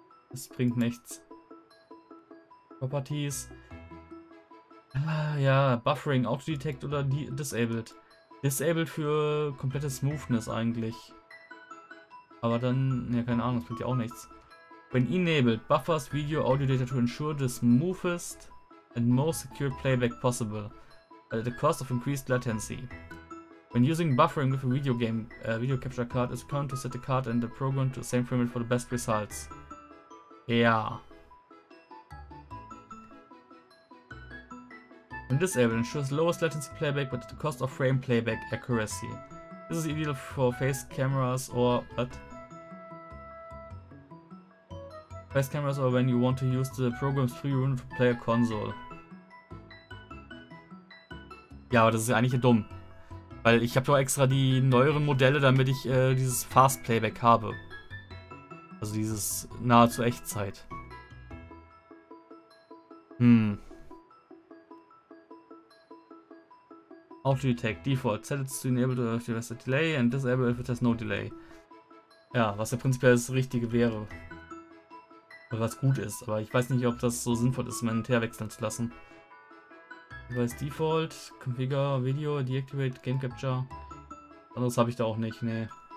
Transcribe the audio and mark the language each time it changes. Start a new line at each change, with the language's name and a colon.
German: Das bringt nichts. Properties. Ja, Buffering, Auto-Detect oder Disabled. Disabled für komplette Smoothness eigentlich. Aber dann, ja, keine Ahnung, das bringt ja auch nichts.
English: When enabled, buffers Video Audio Data to ensure the smoothest and most secure playback possible at the cost of increased latency. When using buffering with a video game, video capture card is prone to set the card and the program to the same frame rate for the best results. Ja. And disable ensures lowest latency playback, but at the cost of frame playback accuracy. This is ideal for face cameras or what? Face cameras or when you want to use the program's pre-run for player console.
German: Ja, aber das ist eigentlich dumm. Weil ich habe doch extra die neueren Modelle, damit ich dieses Fast Playback habe. Also dieses nahezu Echtzeit.
English: Auto-Detect, Default, set it to enable if there is a delay and disable if it has no delay.
German: Ja, was ja prinzipiell das Richtige wäre. Oder was gut ist, aber ich weiß nicht, ob das so sinnvoll ist, meinen Teer wechseln zu lassen.
English: Device Default, Configure Video, Deactivate Game Capture.
German: Anderes habe ich da auch nicht, ne.